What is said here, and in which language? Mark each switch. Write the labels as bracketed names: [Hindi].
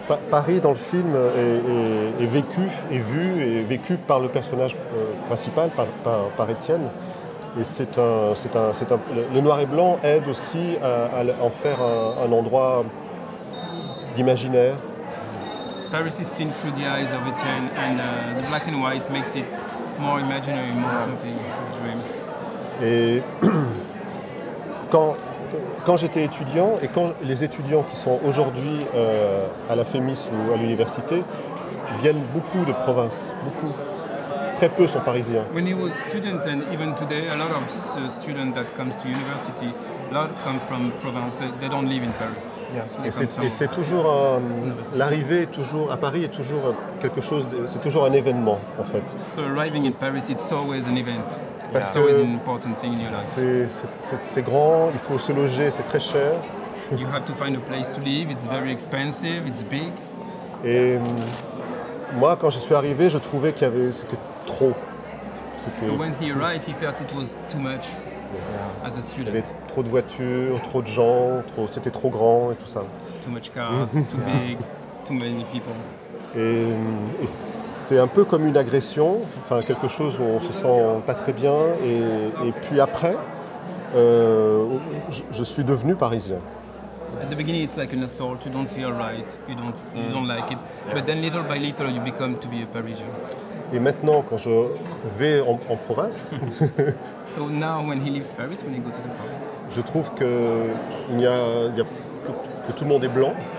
[French] Paris dans le film est vécu par le personnage principal, par Étienne. Et le noir et blanc aide aussi à en faire un endroit d'imaginaire. [English] Paris is seen through the eyes of Étienne, and the black and white makes it more imaginary, more something. [French] Et quand j'étais étudiant et quand les étudiants qui sont aujourd'hui à la FEMIS ou à l'université viennent beaucoup de province, beaucoup, très peu sont parisiens. [English] When he was student and even today, a lot of students that comes to university, a lot come from province. They don't live in Paris. Yeah. [French] Et c'est toujours l'arrivée toujours à Paris est toujours quelque chose. C'est toujours un événement en fait. [English] So arriving in Paris, it's always an event. [French] Parce que c'est grand, il faut se loger, c'est très cher. [English] You have to find a place to live. It's very expensive. It's big. [French] Et moi, quand je suis arrivé, je trouvais que c'était trop. [English] So when he arrived, he felt it was too much. as a student. [French] Il y avait trop de voitures, trop de gens, trop, c'était trop grand et tout ça. [English] Too much cars, too big, too many people. [French] Et c'est un peu comme une agression, enfin quelque chose où on se sent pas très bien. Et puis après, je suis devenu parisien. [English] At the beginning, it's like an assault. You don't feel right. You don't like it. But then, little by little, you become to be a Parisian. [French] Et maintenant, quand je vais en province, [English] so now when he leaves Paris, when he goes to the province, [French] je trouve que il y a que tout le monde est blanc.